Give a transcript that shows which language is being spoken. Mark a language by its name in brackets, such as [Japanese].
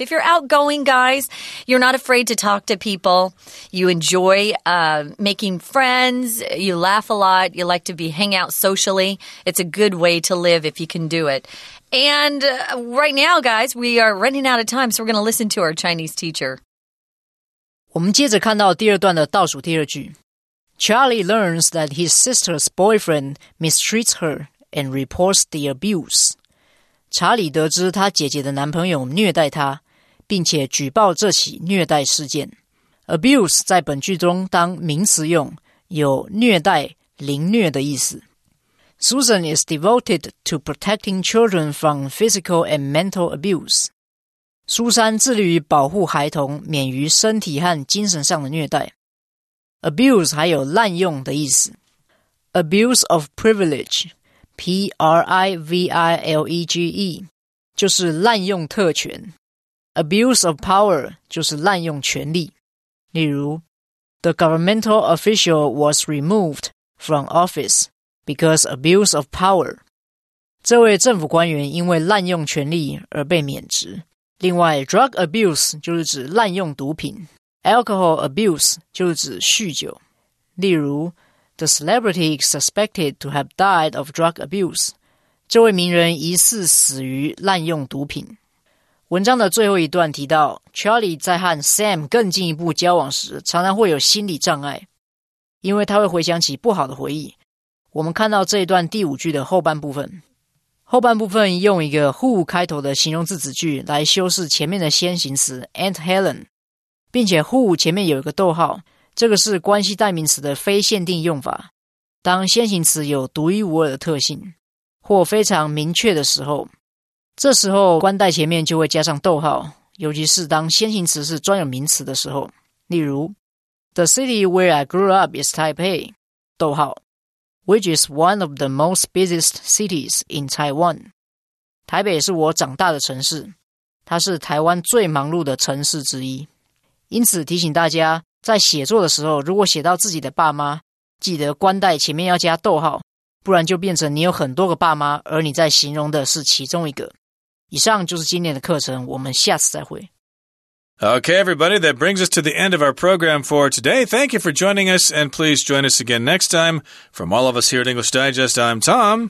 [English] If you're outgoing, guys, you're not afraid to talk to people. You enjoy making friends. You laugh a lot. You like to hang out socially. It's a good way to live if you can do it. And right now, guys, we are running out of time, so we're going to listen to our Chinese teacher. [Chinese] 我们接着看到第二段的倒数第二句。 [English] Charlie learns that his sister's boyfriend mistreats her and reports the abuse. [Chinese] 查理得知他姐姐的男朋友虐待他，并且举报这起虐待事件。 Abuse 在本句中当名词用，有虐待、凌虐的意思。 [English] Susan is devoted to protecting children from physical and mental abuse. [Chinese] 苏珊致力于保护孩童免于身体和精神上的虐待。 Abuse 还有滥用的意思。 [English] Abuse of privilege, [Chinese] P-R-I-V-I-L-E-G-E, 就是滥用特权。 [English] Abuse of power, [Chinese] 就是滥用权力。例如 [English] ,The governmental official was removed from office because abuse of power. [Chinese] 这位政府官员因为滥用权力而被免职。另外 ,drug abuse 就是指滥用毒品。Alcohol abuse 就是指酗酒。例如 [English] ,The celebrity is suspected to have died of drug abuse. [Chinese] 这位名人疑似死于滥用毒品。文章的最后一段提到 ,Charlie 在和 Sam 更进一步交往时常常会有心理障碍。因为他会回想起不好的回忆。我们看到这一段第五句的后半部分。后半部分用一个 who 开头的形容字子句来修饰前面的先行词 Aunt Helen。并且 who 前面有一个逗号，这个是关系代名词的非限定用法。当先行词有独一无二的特性，或非常明确的时候，这时候冠带前面就会加上逗号，尤其是当先行词是专有名词的时候。例如 [English] ,The city where I grew up is Taipei, [Chinese] 逗号 [English] ,which is one of the most busiest cities in Taiwan. [Chinese] 台北是我长大的城市，它是台湾最忙碌的城市之一。因此提醒大家，在写作的时候，如果写到自己的爸妈，记得冠带前面要加逗号，不然就变成你有很多个爸妈，而你在形容的是其中一个。以上就是今天的课程，我们下次再会。 [English] Okay, everybody, that brings us to the end of our program for today. Thank you for joining us, and please join us again next time. From all of us here at English Digest, I'm Tom.